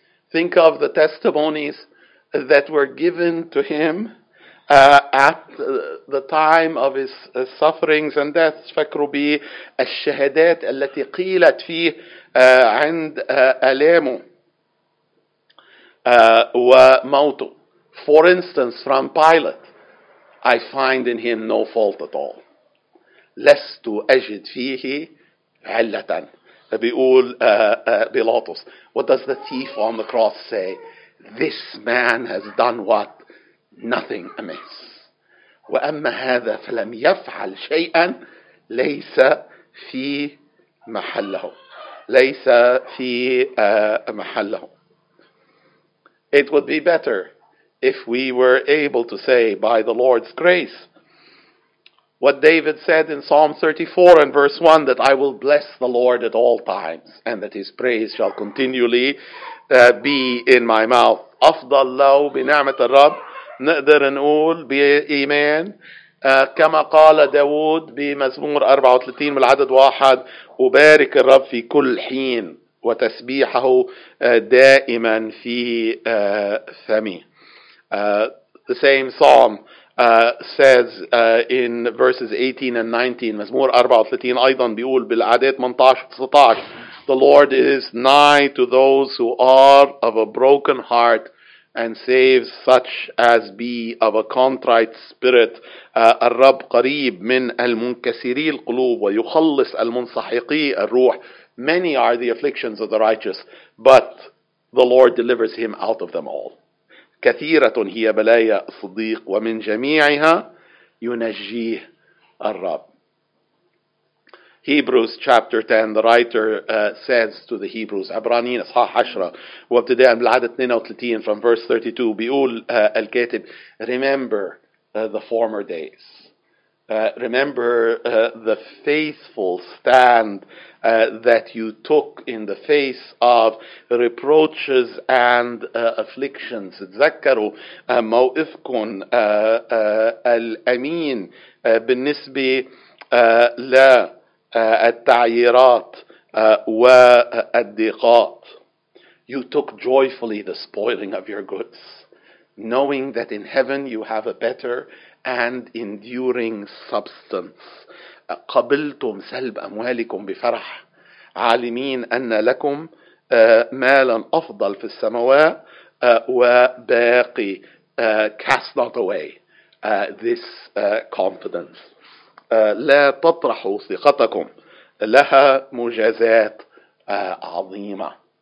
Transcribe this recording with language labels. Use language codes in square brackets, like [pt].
[en] Think of the testimonies that were given to him at the time of his sufferings and death. [ar] فكروا بالشهادات التي قيلت فيه عند آلامه وموته. [en] For instance, from Pilate, I find in him no fault at all. [ar] لست أجد فيه علة. بيقول بيلاطس. [en] What does the thief on the cross say? This man has done what? Nothing amiss. [ar] وأما هذا فلم يفعل شيئا ليس في محله. ليس في محله. [en] It would be better if we were able to say, by the Lord's grace, what David said in Psalm 34 and verse 1, that I will bless the Lord at all times, and that his praise shall continually be in my mouth. [ar] أفضل لو بنعمة الرب نقدر نقول بإيمان كما قال داود بمزمور 34 من العدد 1، أبارك الرب في كل حين وتسبيحه دائما في فمي. [en] The same psalm says in verses 18 and 19, [ar] مزمور 34 أيضا بيقول بالعدد 18-19, [en] the Lord is nigh to those who are of a broken heart and saves such as be of a contrite spirit. [ar] الرب قريب من المنكسري القلوب ويخلص المنسحقي الروح. [en] Many are the afflictions of the righteous, but the Lord delivers him out of them all. [ar] كثيرة هي بلايا الصديق ومن جميعها ينجيه الرب. [en] Hebrews chapter 10, the writer says to the Hebrews, [ar] عبرانين إصحاح 10 وابتداء بالعدد 32 [en] from verse 32 [ar] بيقول الكاتب, [en] remember the former days. Remember the faithful stand that you took in the face of reproaches and afflictions. [ar] تذكروا موقفكم الأمين بالنسبة للتعييرات والضيقات. [en] You took joyfully the spoiling of your goods, knowing that in heaven you have a better and enduring substance. [ar] قبلتم سلب أموالكم بفرح، عالمين أن لكم مالا أفضل في السماوات وباقي. [en] Cast not away this confidence. [ar] لا تطرحوا ثقتكم، لها مجازات عظيمة.